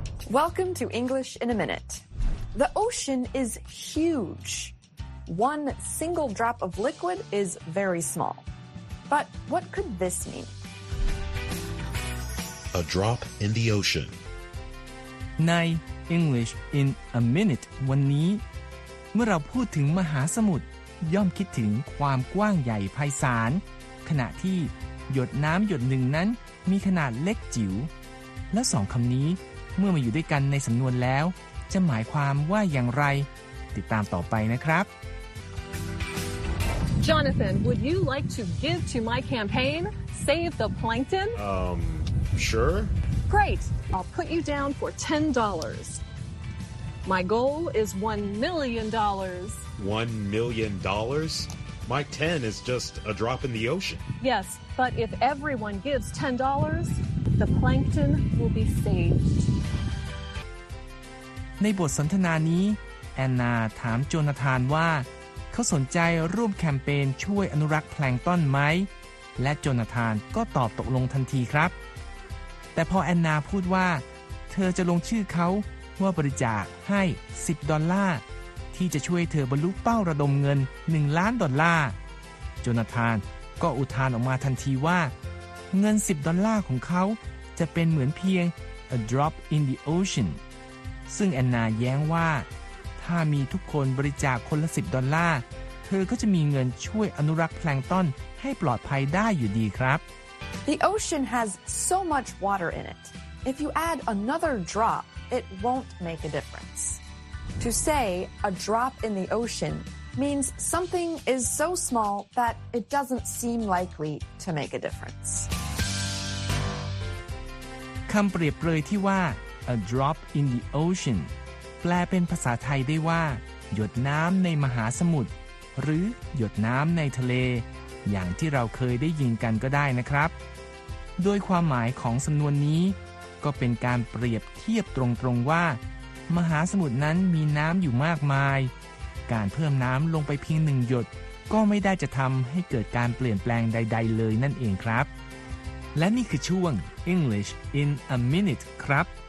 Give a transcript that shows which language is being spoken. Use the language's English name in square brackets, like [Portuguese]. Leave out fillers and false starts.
[English] Welcome to English in a Minute. The ocean is huge. One single drop of liquid is very small. But what could this mean? A drop in the ocean. [Thai] ใน English in a Minute วันนี้เมื่อเราพูดถึงมหาสมุทรย่อมคิดถึงความกว้างใหญ่ไพศาลขณะที่หยดน้ำหยดหนึ่งนั้นมีขนาดเล็กจิ๋วและสองคำนี้เมื่อมาอยู่ด้วยกันในสำนวนแล้วจะหมายความว่าอย่างไรติดตามต่อไปนะครับ [English] Jonathan, would you like to give to my campaign Save the Plankton? Sure. Great. I'll put you down for $10. My goal is $1 million. $1 million? My 10 is just a drop in the ocean. Yes, but if everyone gives $10, the plankton will be saved. [Thai] ในบทสนทนานี้แอนนาถามโจนาธานว่าเขาสนใจร่วมแคมเปญช่วยอนุรักษ์แพลงก์ตอนไหมและโจนาธานก็ตอบตกลงทันทีครับ แต่พอแอนนาพูดว่าเธอจะลงชื่อเขาว่าบริจาคให้$10ที่จะช่วยเธอบรรลุเป้าระดมเงิน$1 ล้านโจนาธานก็อุทานออกมาทันทีว่าเงิน$10ของเขาจะเป็นเหมือนเพียง [English] a drop in the ocean [Thai] ซึ่งแอนนาแย้งว่าถ้ามีทุกคนบริจาคคนละ$10เธอก็จะมีเงินช่วยอนุรักษ์แพลงก์ตอนให้ปลอดภัยได้อยู่ดีครับ [English] The ocean has so much water in it. If you add another drop, it won't make a difference. To say a drop in the ocean means something is so small that it doesn't seem likely to make a difference. [Thai] คำเปรียบเปรยที่ว่า [English] A drop in the ocean [Thai] แปลเป็นภาษาไทยได้ว่าหยดน้ำในมหาสมุทรหรือหยดน้ำในทะเลอย่างที่เราเคยได้ยินกันก็ได้นะครับ โดยความหมายของสำนวนนี้ก็เป็นการเปรียบเทียบตรงๆว่ามหาสมุทรนั้นมีน้ำอยู่มากมายการเพิ่มน้ำลงไปเพียงหนึ่งหยดก็ไม่ได้จะทำให้เกิดการเปลี่ยนแปลงใดๆเลยนั่นเองครับและนี่คือช่วง English in a Minute ครับ